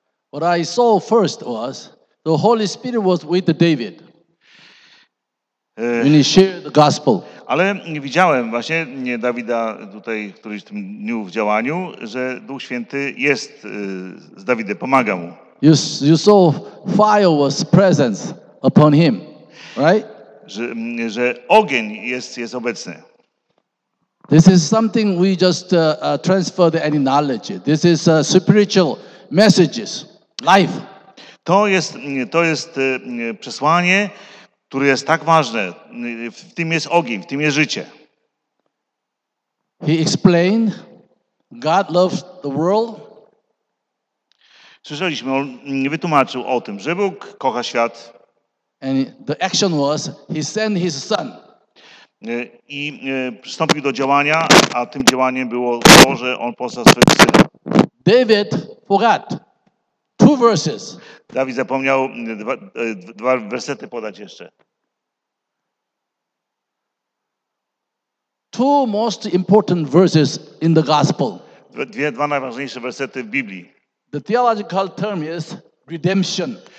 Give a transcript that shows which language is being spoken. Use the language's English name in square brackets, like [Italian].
[English] What I saw first was the Holy Spirit was with David. When he shared the gospel. [Polish] Ale widziałem właśnie nie Dawida tutaj, który w tym dniu w działaniu, że Duch Święty jest z Dawidem, pomaga mu. [English] You saw fire was present upon him, right? [Polish] Że ogień jest obecny. [English] This is something we just transfer the knowledge. This is spiritual messages, life. [Polish] To jest przesłanie, które jest tak ważne. W tym jest ogień, w tym jest życie. [English] He explained, God loves the world. [Polish] Słyszeliśmy, on wytłumaczył o tym, że Bóg kocha świat. [English] And the action was, he sent his son. [Polish] I przystąpił do działania, a tym działaniem było to, że on posłał swojego syna. [English] David forgot. Two verses. [Polish] Dawid zapomniał dwa wersety podać jeszcze. [English] Two most important verses in the gospel. [Polish] Dwa najważniejsze wersety w Biblii. [English] The theological term is redemption.